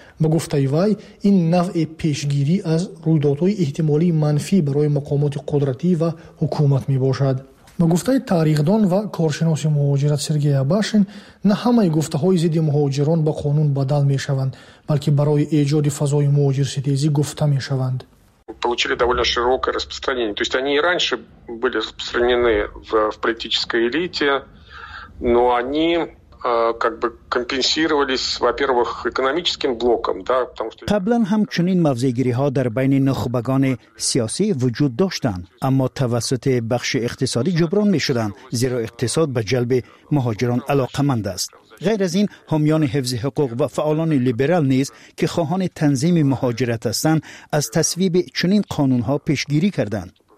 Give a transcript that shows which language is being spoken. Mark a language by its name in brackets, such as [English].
[Tajik] Ба гуфтаи вай, ин навъи пешгирӣ аз рӯйдодҳои эҳтимолии манфӣ барои мақомоти қудратӣ ва ҳукумат мебошад. Ба гуфтаи таърихдон ва коршиноси муҳоҷират Сергей Абашин, на ҳамаи гуфтаҳои зидди муҳоҷирон ба қонун бадал мешаванд, балки барои эҷоди фазои муҳоҷирситезӣ гуфта мешаванд. [Russian] Получили довольно широкое распространение. То есть они и раньше были распространены в политической элите, но они как бы компенсировались, во-первых, экономическим блоком, да, потому что [Persian] قبلاً همچنین موضع‌گیری‌ها در بین نخبگان سیاسی وجود داشتند، اما توسط بخش اقتصادی جبران می‌شدند، زیرا اقتصاد به جلب مهاجران علاقمند است. غیر از این، حامیان حفظ حقوق و فعالان لیبرال نیز که خواهان تنظیم مهاجرت هستند، از تصویب چنین قانون‌ها پیشگیری کردند.